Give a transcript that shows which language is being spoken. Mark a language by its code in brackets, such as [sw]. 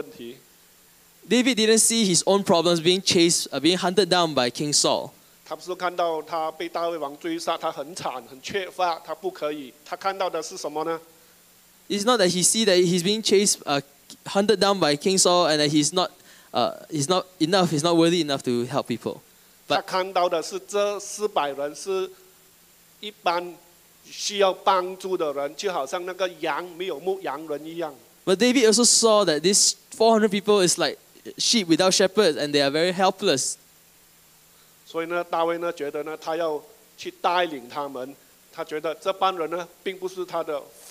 [zh] 大卫他的看见不是看见他自己的问题，他被扫罗王追杀的问题。David [en] didn't see his own problems being chased, being hunted down by King Saul. [zh] 他不是看到他被大卫王追杀，他很惨，很缺乏，他不可以。他看到的是什么呢？ [en] It's not that he see that he's being chased, hunted down by King Saul, and that he's not worthy enough to help people. But [zh] 他看到的是这400人是一般需要帮助的人，就好像那个羊没有牧羊人一样。 [en] But David also saw that these 400 people is like sheep without shepherds, and they are very helpless. [zh] 所以呢，大卫呢觉得呢，他要去带领他们，他觉得这帮人呢并不是他的。